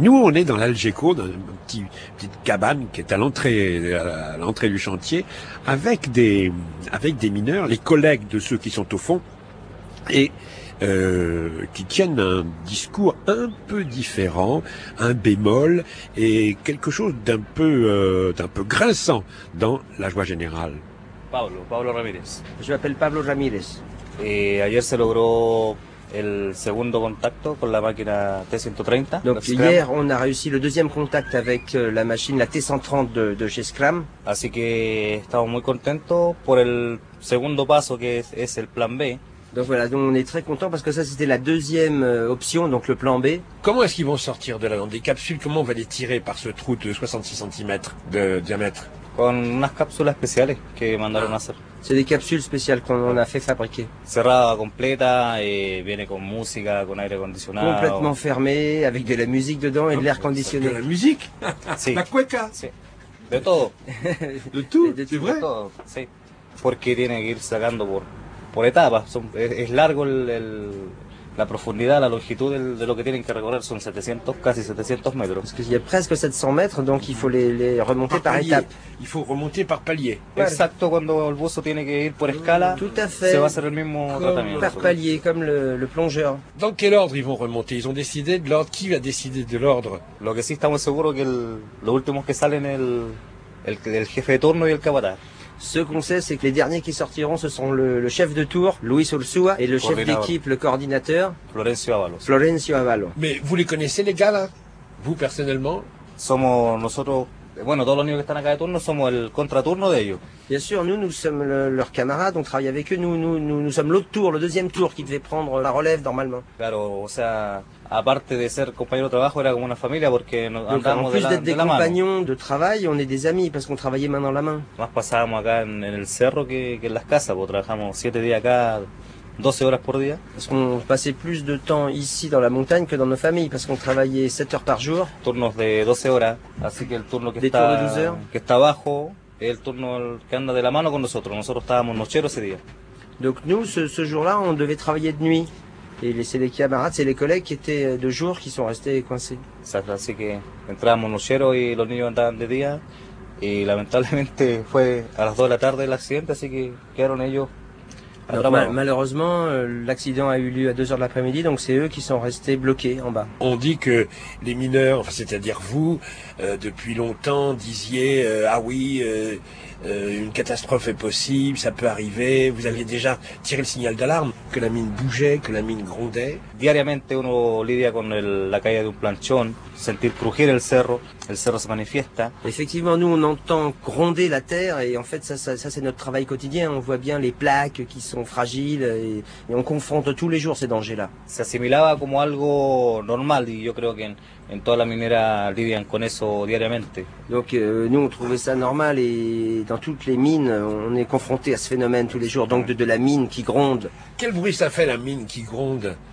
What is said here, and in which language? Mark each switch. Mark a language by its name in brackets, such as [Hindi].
[French] Nous, on est dans l'Algeco, dans une petite cabane qui est à l'entrée du chantier, avec des mineurs, les collègues de ceux qui sont au fond, et qui tiennent un discours un peu différent, un bémol et quelque chose d'un peu grinçant dans la joie générale. Pablo Ramirez. Je m'appelle Pablo Ramirez. [Spanish] Et hier se logró el segundo contacto con la máquina T130. [French] Donc hier on a réussi le deuxième contact avec la machine, la T130 de chez Scram. [Spanish] Así que estamos muy contentos por el segundo paso que es el plan B. [French] Donc voilà, donc on est très content parce que ça c'était la deuxième option, donc le plan B. Comment est-ce qu'ils vont sortir de là dans des capsules? Comment on va les tirer par ce trou de 66 cm de diamètre? [Spanish] Con unas cápsulas especiales que mandaron a hacer. [French] C'est des capsules spéciales qu'on a fait fabriquer. [Spanish] Cerrada completa et viene con música, con aire acondicionado. [French] Complètement fermé avec de la musique dedans et de l'air conditionné. De la musique? [Spanish] Sí. La cueca? Sí. De todo. [French] De tout? C'est vrai? [Spanish] De todo, sí. Porque tiene que ir sacando por etapas. Es largo la profundidad, la longitud de lo que tienen que recorrer son 700, casi 700 metros. [French] Parce qu'il y a presque 700 mètres, donc il faut les remonter par étape. Il faut remonter par palier. [Spanish] Exacto, cuando el buzo tiene que ir por escala, [French] tout à fait. [Spanish] Se va a hacer el mismo tratamiento. [French] Par palier, comme le plongeur. Dans quel ordre ils vont remonter? Ils ont décidé de l'ordre. Qui va décider de l'ordre? [Spanish] Lo que sí estamos seguros que los últimos que salen el jefe de turno y el capataz. [French] Ce qu'on sait, c'est que les derniers qui sortiront, ce sont le chef de tour, Luis Ursúa, et le chef d'équipe, le coordinateur, Florencio Avalos. Mais vous les connaissez, les gars, là? Vous, personnellement? [Spanish] Somos nosotros, bueno, todos los niños que están acá de turno, somos el contraturno de ellos. [French] Bien sûr, nous sommes leurs camarades, on travaille avec eux, nous sommes l'autre tour, le deuxième tour qui devait prendre la relève normalement. [Spanish] Claro, o sea, aparte de ser compañero de trabajo, era como una familia porque nos andamos de la mano. [French] Donc en plus d'être des compagnons de travail, on est des amis parce qu'on travaillait main dans la main. [Spanish] Más pasábamos acá en el cerro que en las casas, porque trabajamos 7 días acá, 12 horas por día. [French] Parce qu'on passait plus de temps ici dans la montagne que dans nos familles parce qu'on travaillait 7 heures par jour. [Spanish] Turnos de 12 horas, así que el turno que está abajo. Et le turno que anda de la mano con nosotros. Nosotros estábamos nocheros ese día. [French] Donc nous, ce jour-là, on devait travailler de nuit. Et c'est les camarades, c'est les collègues qui étaient de jour qui sont restés coincés. [Spanish] Exacto, así que entrábamos nocheros y los niños andaban de día. Y lamentablemente fue a las 2 de la tarde el accidente, así que quedaron ellos. [French] Malheureusement, l'accident a eu lieu à 2h de l'après-midi, donc c'est eux qui sont restés bloqués en bas. On dit que les mineurs, enfin, c'est-à-dire vous, depuis longtemps disiez « Ah oui, une catastrophe est possible, ça peut arriver ». Vous aviez déjà tiré le signal d'alarme, que la mine bougeait, que la mine grondait. [Spanish] Diariamente uno lidia con la caída de un planchón, sentir crujir el cerro se manifiesta. [French] Effectivement, nous on entend gronder la terre et en fait ça c'est notre travail quotidien, on voit bien les plaques qui sont fragiles et on confronte tous les jours ces dangers-là. [Spanish] Se asimilaba como algo normal y yo creo que en toda la minera lidian con eso diariamente. [French] Donc nous on trouvait ça normal et dans toutes les mines on est confronté à ce phénomène tous les jours, donc de la mine qui gronde. Quel bruit ça fait, la mine qui gronde?